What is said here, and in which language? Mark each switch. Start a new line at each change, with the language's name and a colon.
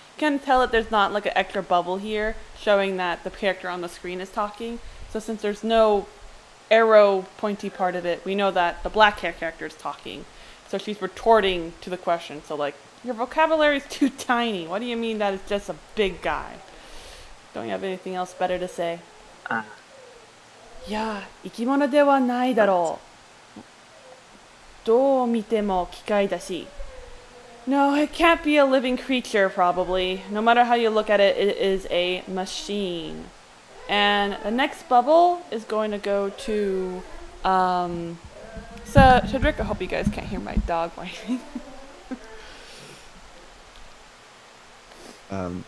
English: You can tell that there's not like an extra bubble here showing that the character on the screen is talking. So since there's no arrow pointy part of it, we know that the black hair character is talking. So she's retorting to the question. So like, your vocabulary is too tiny. What do you mean that it's just a big guy? Don't you have anything else better to say?
Japanese: Yeah, 生き物ではないだろう。どう見ても機械だし。
English: No, it can't be a living creature, probably. No matter how you look at it, it is a machine. And the next bubble is going to go to, so Cedric, I hope you guys can't hear my dog whining.